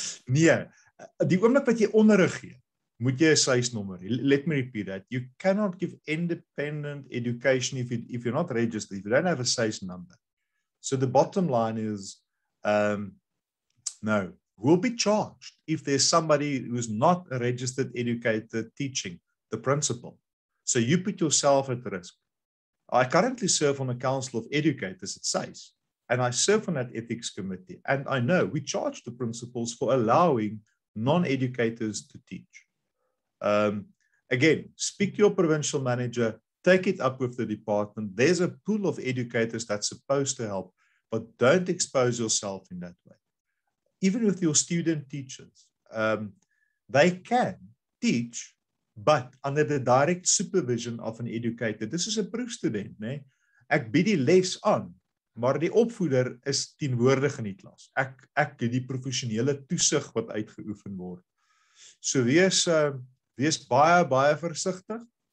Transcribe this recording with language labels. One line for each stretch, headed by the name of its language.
Afrikaans: Nee, die oomblik wat jy onderrig gee, moet jy 'n sysnommer.
English: Let me repeat that. You cannot give independent education if you're not registered, if you don't have a size number. So the bottom line is, no, we'll be charged if there's somebody who's not a registered educator teaching the principal. So you put yourself at risk. I currently serve on a council of educators at SAIS, and I serve on that ethics committee. And I know we charge the principals for allowing non-educators to teach. Again, speak to your provincial manager, take it up with the department. There's a pool of educators that's supposed to help, but don't expose yourself in that way. Even with your student teachers, they can teach, but under the direct supervision of an educator. This is a proof student, né?
Afrikaans: Ek bied die les aan, maar die opvoeder is teenwoordig in die klas. Ek het die professionele toesig wat uitgeoefen word. So wees baie, baie versigtig.